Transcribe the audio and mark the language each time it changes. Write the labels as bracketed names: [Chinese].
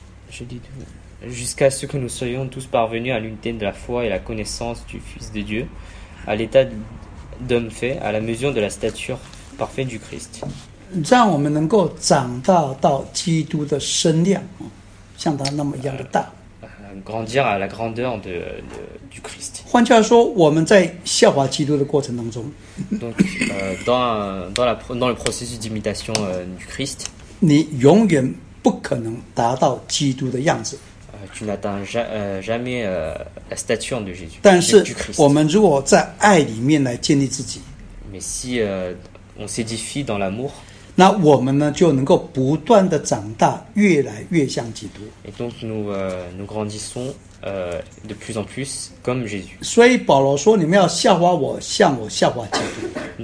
[French] Je dis jusqu'à ce que nous soyons tous parvenus à l'unité de la foi et la connaissance du Fils de Dieu, à l'état d'homme fait à la mesure de la stature parfaite du Christ. [Chinese] 让我们能够长大到基督的身量，像他那么一样的大。 [French] Grandir à la grandeur du Christ. [Chinese] 换句话说，我们在效法基督的过程当中。 [French] Donc, dans le processus d'imitation du Christ. [Chinese] 你永远不可能达到基督的样子。 [French] Tu n'atteins jamais la stature de Jésus. [Chinese] 但是我们如果在爱里面来建立自己， [French] mais si on s'édifie dans l'amour, [Chinese] 那我们呢就能够不断的长大，越来越像基督。 [French] Et donc nous grandissons de plus en plus comme Jésus. [Chinese] 所以保罗说：“你们要效法我，像我效法基督。”